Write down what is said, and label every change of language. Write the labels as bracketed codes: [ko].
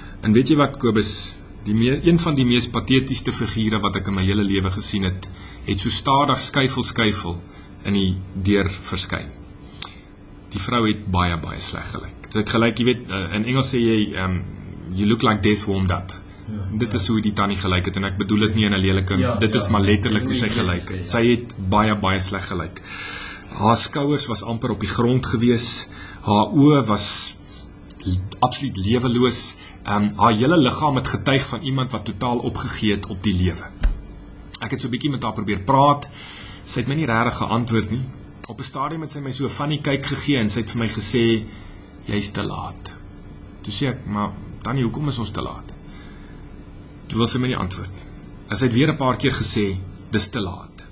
[af] En weet jy wat, Kobus, een van die mees patetiese figure wat ek in my hele lewe gesien het, het so stadig skuifel in die deur verskyn. Die vrou het baie, baie sleg gelyk. Dit het gelyk, jy weet, in Engels sê jy, [en] you look like death warmed up. [af] Ja, dit is hoe die tannie gelyk het, en ek bedoel dit nie in 'n lelike, dit is maar letterlik hoe sy gelyk het. Sy het baie, baie sleg gelyk. Haar skouers was amper op die grond gewees, haar oë was absoluut leweloos, haar hele liggaam het getuig van iemand wat totaal opgegee het op die lewe. Ek het so 'n bietjie met haar probeer praat, sy het my nie regtig geantwoord nie. Op 'n stadium het sy my so 'n funny kyk gegee en sy het vir my gesê, jy's te laat. Toe sê ek, maar tannie, hoekom is ons te laat? Toe wil sy my nie antwoord nie. En sy het weer 'n paar keer gesê, dis te laat.